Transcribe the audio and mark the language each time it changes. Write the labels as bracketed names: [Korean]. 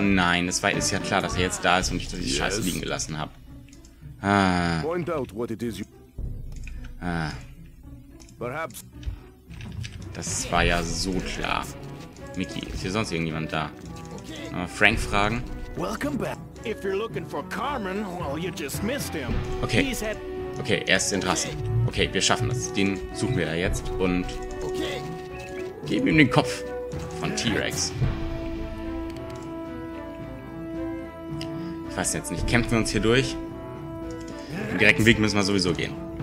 [German] Nein, es ist ja klar, dass er jetzt da ist und ich die Scheiße liegen gelassen habe. [English] Point out what it is. Perhaps. [German] Das war ja so klar. Mickey, ist hier sonst irgendjemand da? Frank fragen. [English] Welcome back. If you're looking for Carmen, well, you just missed him. [German] Okay. Okay, er ist in Drassen. Okay, wir schaffen das. Den suchen wir da jetzt und geben ihm den Kopf von T-Rex. Ich weiß jetzt nicht, kämpfen wir uns hier durch? Den direkten Weg müssen wir sowieso gehen.